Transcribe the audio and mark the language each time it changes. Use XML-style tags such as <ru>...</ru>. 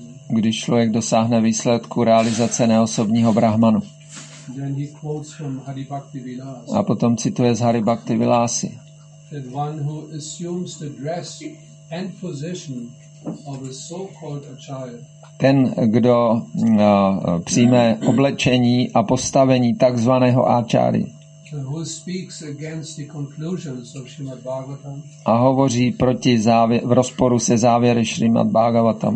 <cs>Když člověk dosáhne výsledku realizace neosobního brahmanu.</cs> <en>Then he quotes from Hari Bhakti Vilas.</en> <cs>A potom cituje z Hari Bhakti Vilasy.</cs> <en>That one who assumes the dress and position of a so-called acharya.</en> <cs>Ten, kdo přijme oblečení a postavení takzvaného áčáry.</cs> <en>Who speaks against the conclusions of Srimad Bhagavatam?</en> <cs>A hovoří proti v rozporu se závěry Srimad Bhagavatam.</cs>